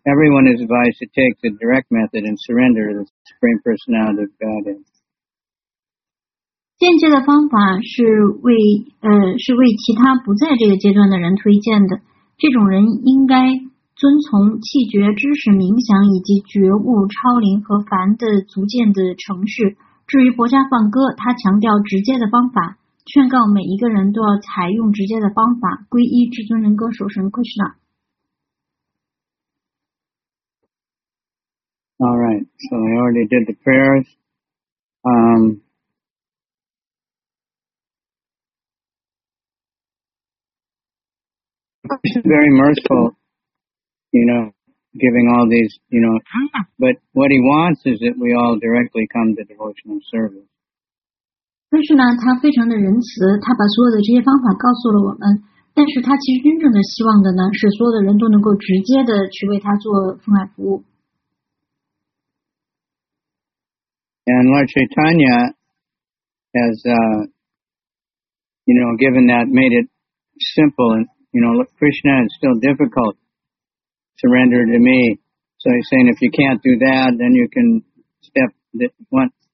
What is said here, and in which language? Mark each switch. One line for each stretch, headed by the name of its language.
English: Everyone is advised to take the direct method and surrender to the Supreme Personality of Godhead.
Chinese: 间接的方法是为其他不在这个阶段的人推荐的。这种人应该遵从气觉知识冥想以及觉悟超灵和凡的逐渐的程序。至于《薄伽梵歌》，他强调直接的方法。劝告每一个人都要采用直接的方法，皈依至尊人格守神 Krishna。
English: All right, so I already did the prayers. Very merciful, you know. giving all these, you know, but what he wants is that we all directly come to devotional service.
Chinese: 但是呢，他非常的仁慈，他把所有的这些方法告诉了我们。但是他其实真正的希望的呢，是所有的人都能够直接的去为他做奉爱服务。
English: And Lord Chaitanya has, you know, given that, made it simple. And, you know, Krishna is still difficult. Surrender to me. So he's saying, if you can't do that, then you can step one.